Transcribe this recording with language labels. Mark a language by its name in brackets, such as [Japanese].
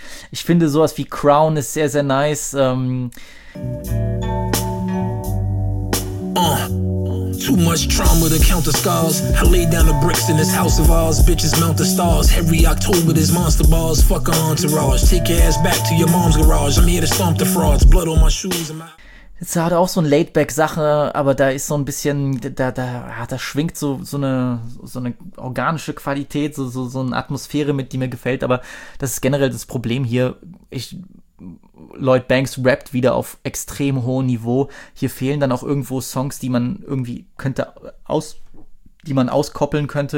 [German] Ich finde sowas wie Crown ist sehr, sehr nice. [English] Too much trauma to count the scars. I lay down the bricks in this house of ours. Bitches mount the stars. Every October there's monster bars. Fuck entourage. Take your ass back to your mom's garage. I'm here to stomp the frauds. Blood on my shoes and my... [German] Jetzt hat er auch so eine Laidback-Sache, aber da ist so ein bisschen, da schwingt so eine organische Qualität, so eine Atmosphäre mit, die mir gefällt, aber das ist generell das Problem hier. Lloyd Banks rappt wieder auf extrem hohem Niveau. Hier fehlen dann auch irgendwo Songs, die man irgendwie auskoppeln könnte.